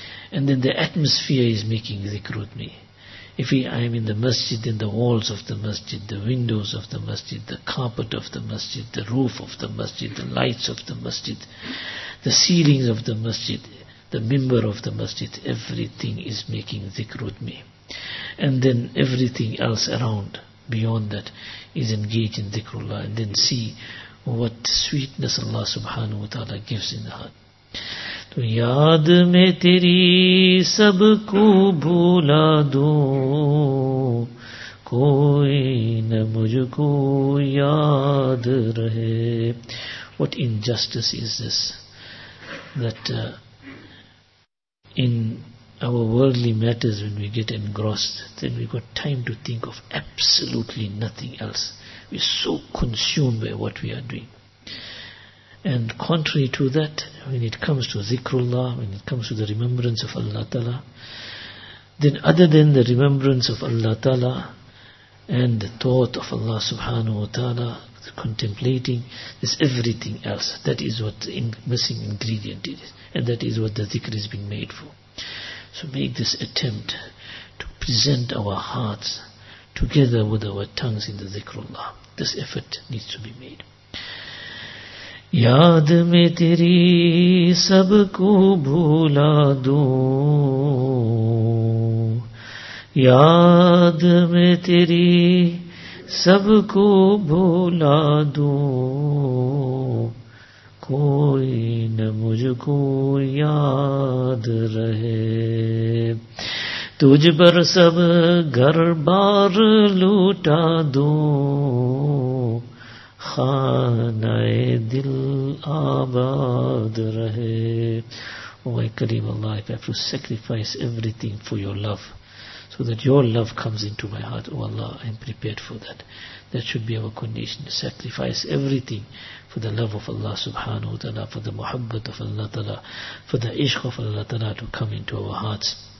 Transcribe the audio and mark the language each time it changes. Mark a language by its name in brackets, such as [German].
[English] And then the atmosphere is making dhikr with me. If I am in the masjid, then the walls of the masjid, the windows of the masjid, the carpet of the masjid, the roof of the masjid, the lights of the masjid, the ceilings of the masjid, the minbar of the masjid, everything is making dhikr with me. And then everything else around, beyond that, is engaged in dhikrullah. And then see what sweetness Allah subhanahu wa ta'ala gives in the heart. [Urdu] تو یاد میں تیری سب کو بھولا دوں کوئی نہ مجھ کو یاد رہے. [English] What injustice is this, that in our worldly matters when we get engrossed, then we got time to think of absolutely nothing else. We're so consumed by what we are doing. And contrary to that, when it comes to zikrullah, when it comes to the remembrance of Allah Ta'ala, then other than the remembrance of Allah Ta'ala and the thought of Allah subhanahu wa ta'ala, the contemplating, there's everything else. That is what the missing ingredient is. And that is what the zikr is being made for. So make this attempt to present our hearts together with our tongues in the zikrullah. This effort needs to be made. [Urdu] یاد میں تیری سب کو بھولا دوں یاد میں تیری سب کو بھولا دوں کوئی نہ مجھ کو یاد رہے تجھ پر سب گھر بار لوٹا دوں خانہِ دل آباد رہے. [English] O my Kareem Allah, if I have to sacrifice everything for your love, so that your love comes into my heart, O Allah, I am prepared for that. That should be our condition, to sacrifice everything for the love of Allah subhanahu wa ta'ala, for the muhabbat of Allah ta'ala, for the ishq of Allah ta'ala to come into our hearts.